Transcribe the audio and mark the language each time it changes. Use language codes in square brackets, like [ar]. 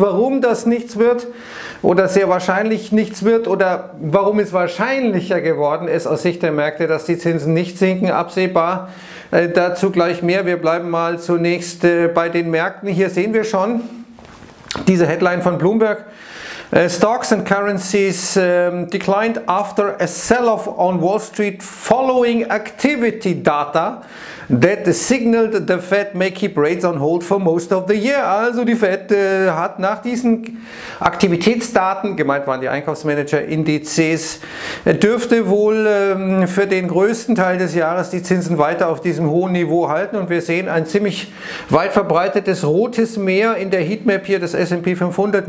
[de] Warum das nichts wird oder sehr wahrscheinlich nichts wird oder warum es wahrscheinlicher geworden ist aus Sicht der Märkte, dass die Zinsen nicht sinken, absehbar. Dazu gleich mehr. Wir bleiben mal zunächst bei den Märkten. Hier sehen wir schon diese Headline von Bloomberg. [en] Stocks and currencies declined after a sell-off on Wall Street following activity data that signaled the Fed may keep rates on hold for most of the year. [de] Also die Fed hat nach diesen Aktivitätsdaten, gemeint waren die Einkaufsmanager-Indizes, dürfte wohl für den größten Teil des Jahres die Zinsen weiter auf diesem hohen Niveau halten. Und wir sehen ein ziemlich weit verbreitetes rotes Meer in der Heatmap hier des S&P 500.